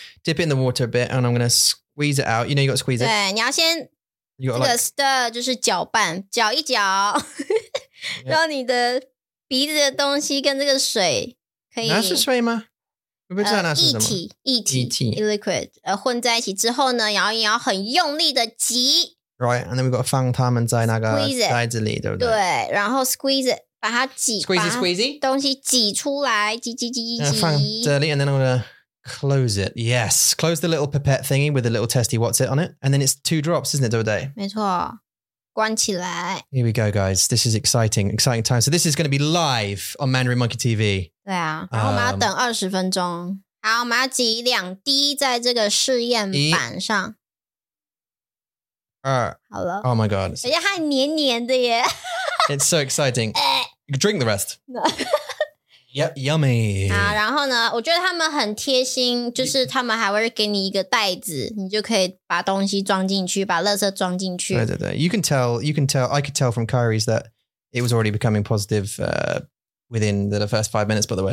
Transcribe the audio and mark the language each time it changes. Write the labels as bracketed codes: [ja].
[en] Dip it in the water a bit, and I'm going to squeeze it out. You know you got to squeeze it. [zh] 对，你要先 [en] you gotta [zh] 这个 stir 就是搅拌，搅一搅，让你的鼻子的东西跟这个水可以。那是水吗？我不知道那是什么。液体 liquid 混在一起之后呢，然后你要很用力的挤。 [en] Right, and then we got to 放它们在那个袋子里，对不 [zh] 对？对，然后 squeeze it. 把它挤 [en] squeezy [zh] 东西挤出来，挤挤挤挤挤。 [en] 放这里，and then I'm gonna close it. Yes, close the little pipette thingy with the little testy what's it on it, and then it's two drops, isn't it? [zh] 对不对？没错，关起来。 [en] Here we go, guys. This is exciting, exciting time. So this is going to be live on Mandarin Monkey TV. [zh] 对啊，然后我们要等20分钟。好，我们要挤两滴在这个试验板上。好了。 [en] Oh my god. [zh] 而且它还黏黏的耶。 [en] It's so exciting. You can drink the rest. Yep, yummy. [zh] 好，然后呢，我觉得他们很贴心，就是他们还会给你一个袋子，你就可以把东西装进去，把垃圾装进去。 [en] 对对对， I could tell from Kyrie's that it was already becoming positive within the first 5 minutes, by the way.